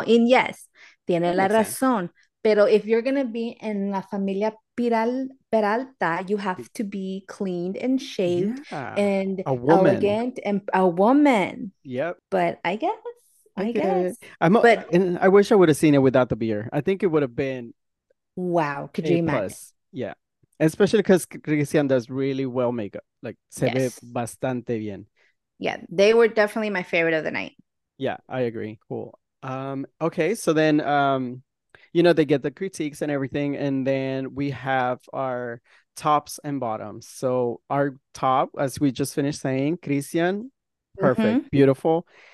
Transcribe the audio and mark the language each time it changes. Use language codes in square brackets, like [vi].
[en] And yes, [es] tiene la razón. Pero [en] if you're going to be in La Familia Peralta, you have to be cleaned and shaved and a woman. Elegant and a woman. Yep. But I guess. And I wish I would have seen it without the beard. I think it would have been wow. Could you imagine? Plus. Yeah, especially because Christian does really well makeup. Like, [es] se ve bastante bien. [en] Yeah, they were definitely my favorite of the night. Yeah, I agree. Cool. Okay, so then you know, they get the critiques and everything, and then we have our tops and bottoms. So our top, as we just finished saying, Christian, perfect, beautiful.